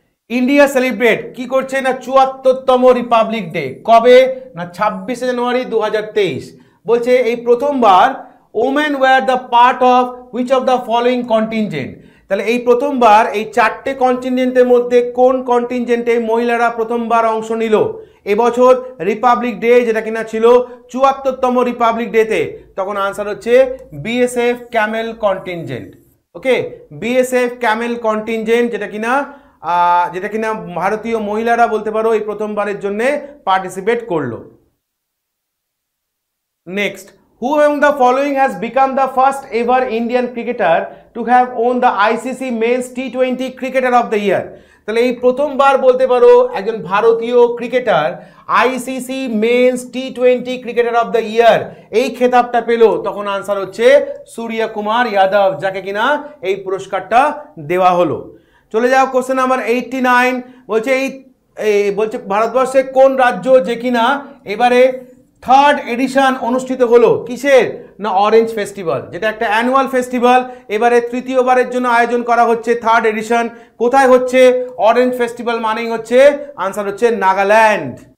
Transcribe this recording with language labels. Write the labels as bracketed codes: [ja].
[bn] India celebrate কি করছে না, 74তম রিপাবলিক ডে, কবে না, 26 জানুয়ারি 2023, বলছে এই প্রথমবার [en] women were the part of which of the following contingent, [bn] তাহলে এই প্রথমবার এই 4টে কন্টিনজেন্টের মধ্যে কোন কন্টিনজেন্টে মহিলারা প্রথমবার অংশ নিল, এবছর রিপাবলিক ডে যেটা কিনা ছিল 74তম রিপাবলিক ডেতে, তখন আনসার হচ্ছে BSF ক্যামেল কন্টিনজেন্ট। ওকে, BSF ক্যামেল কন্টিনজেন্ট যেটা কিনা ভারতীয় মহিলারা বলতে পারো এই প্রথমবারের জন্য পার্টিসিপেট করলো। Next, [en] Who among the following has become the first ever Indian cricketer to have won the ICC Men's T20 Cricketer of the Year? [bn] তাহলে এই প্রথমবার বলতে পারো একজন ভারতীয় cricketer ICC men's টি-20 cricketer of the year এই খেতাবটা পেল, তখন আনসার হচ্ছে সূর্য কুমার যাদব, যাকে কিনা এই পুরস্কারটা দেওয়া হলো। চলে যাও কোশ্চেন নাম্বার 89। বলছে এই বলছে ভারতবর্ষে কোন রাজ্য যে কিনা এবারে থার্ড এডিশন অনুষ্ঠিত হলো, কিসের না অরেঞ্জ ফেস্টিভ্যাল, যেটা একটা অ্যানুয়াল ফেস্টিভ্যাল, এবারে তৃতীয়বারের জন্য আয়োজন করা হচ্ছে থার্ড এডিশন, কোথায় হচ্ছে অরেঞ্জ ফেস্টিভ্যাল, মানেই হচ্ছে আনসার হচ্ছে নাগাল্যান্ড।